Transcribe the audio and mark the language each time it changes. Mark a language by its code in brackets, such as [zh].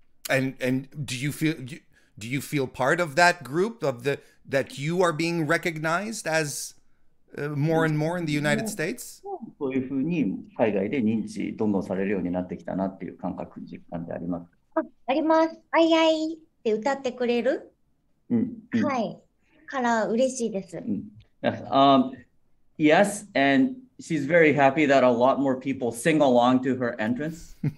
[en] And do you feel part of that group of the that you are being recognized as more and more in the United States? [ja] そういうふうに海外で認知どんどんされるようになってきたなっていう感覚実感であります。あります。あいあいって歌ってくれる、はい。から嬉しいです。 [en] Yes, and she's very happy that a lot more people sing along to her entrance.